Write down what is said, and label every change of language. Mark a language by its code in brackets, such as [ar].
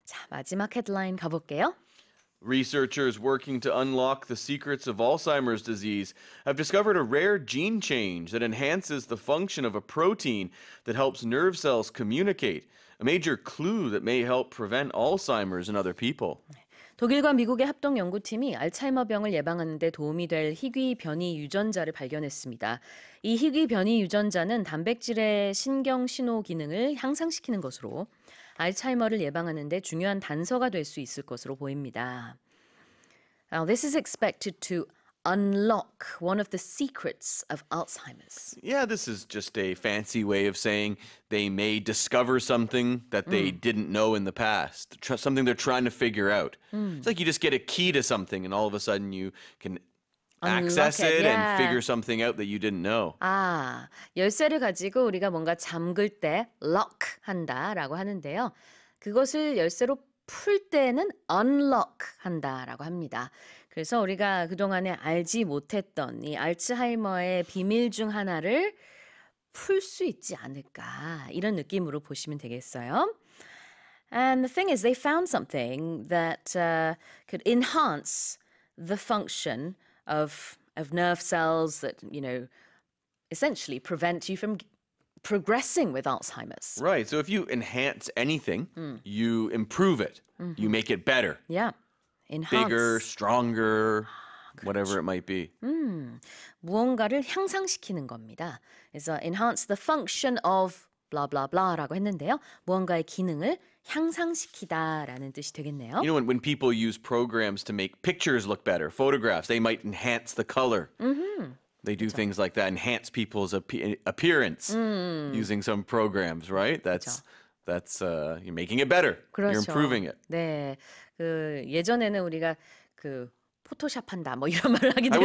[ko] 자, 마지막 헤드라인 가볼게요. [en] Researchers working to unlock the secrets of Alzheimer's disease have discovered a rare gene change that enhances the function of a protein that helps nerve cells communicate, a major clue that may help prevent Alzheimer's in other people. [ko] 독일과 미국의 합동 연구팀이 알츠하이머병을 예방하는 데 도움이 될 희귀 변이 유전자를 발견했습니다. 이 희귀 변이 유전자는 단백질의 신경신호 기능을 향상시키는 것으로 알츠하이머를 예방하는 데 중요한 단서가 될 수 있을 것으로 보입니다. [en] Now, this is expected to unlock one of the secrets of Alzheimer's. Yeah, this is just a fancy way of saying they may discover something that they didn't know in the past, something they're trying to figure out. It's like you just get a key to something and all of a sudden you can access it and figure something out that you didn't know. [ko] 아, 열쇠를 가지고 우리가 뭔가 잠글 때 lock 한다라고 하는데요. 그것을 열쇠로 풀 때는 unlock 한다라고 합니다. 그래서 우리가 그동안에 알지 못했던 이 알츠하이머의 비밀 중 하나를 풀 수 있지 않을까 이런 느낌으로 보시면 되겠어요. [en] And the thing is they found something that could enhance the function of nerve cells that, you know, essentially prevent you from progressing with Alzheimer's. Right. So if you enhance anything, you improve it. Mm-hmm. You make it better. Yeah. Enhance. Bigger, stronger, [ko] 그렇죠. [en] whatever it might be. [ko] 무언가를 향상시키는 겁니다. [en] So enhance the function of blah blah blah라고 했는데요. [ko] 무언가의 기능을 향상시키다라는 뜻이 되겠네요. [en] You know, when people use programs to make pictures look better, photographs, they might enhance the color. They do [ko] 그쵸. [en] things like that, enhance people's appearance using some programs, right? That's [ko] 그쵸. [en] that's you're making it better. [ko] 그렇죠. [en] You're improving it. [ko] 네, 그 예전에는 우리가 그 포토샵한다 뭐 이런 말을 하기도 했었는데.